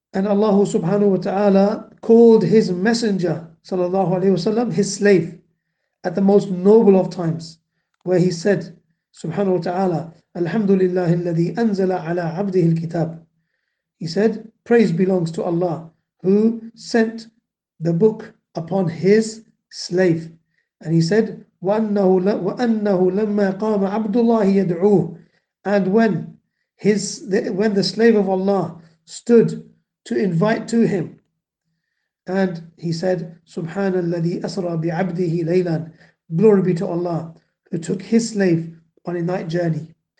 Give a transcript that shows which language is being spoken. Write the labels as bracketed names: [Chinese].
[English] And Allah subhanahu wa ta'ala called his messenger, sallallahu alayhi wasallam, his slave, at the most noble of times, where he said, subhanahu wa ta'ala, [Arabic] alhamdulillah alladhi anzala ala abdihi al-kitab. [English] He said, praise belongs to Allah who sent the book upon his slave. And he said, [Arabic] وَأَنَّهُ لَمَّا قَامَ عَبْدُ اللَّهِ يَدْعُوهُ. [English] And when the slave of Allah stood to invite to him, and he said, [Arabic] سُبْحَانَ الَّذِي أَسْرَى بِعَبْدِهِ لَيْلًا. [English] Glory be to Allah who took his slave on a night journey.